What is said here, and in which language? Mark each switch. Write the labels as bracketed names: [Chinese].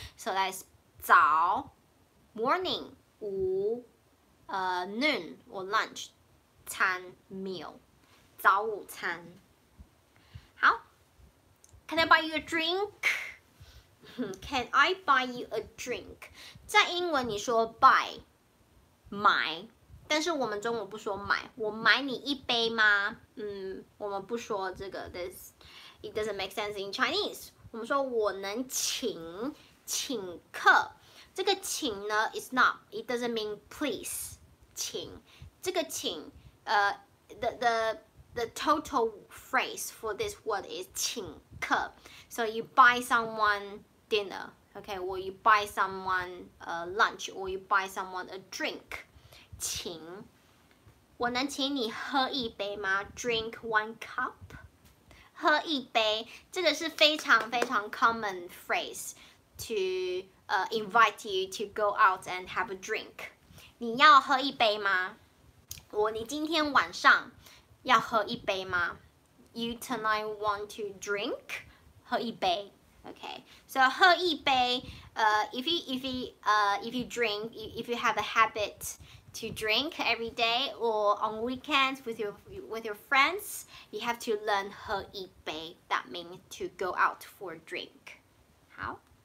[English] So that's 早, morning, 午, noon or lunch, 餐, meal, 早午餐. 好, can I buy you a drink? Can I buy you a drink? [Chinese] 在英文你说 buy, 买, 但是我们中文不说买, 我买你一杯吗? 我们不说这个, [English] this, it doesn't make sense in Chinese. [Chinese] 我们说我能请, 请客, 这个请呢, [English] it's not, it doesn't mean please, [Chinese] 请, 这个请, the total phrase for this word is 请客. [English] So you buy someone dinner, okay, or you buy someone lunch, or you buy someone a drink. [Chinese] 请, 我能请你喝一杯吗? [English] Drink one cup. [Chinese] 喝一杯, 这个是非常非常 common phrase. [English] to invite you to go out and have a drink. [Chinese] 你要喝一杯吗？我，你今天晚上要喝一杯吗？ [English] You tonight want to drink? 喝一杯。 Okay, so 喝一杯, if you have a habit to drink every day or on weekends with your friends, you have to learn 喝一杯, that means to go out for a drink. How?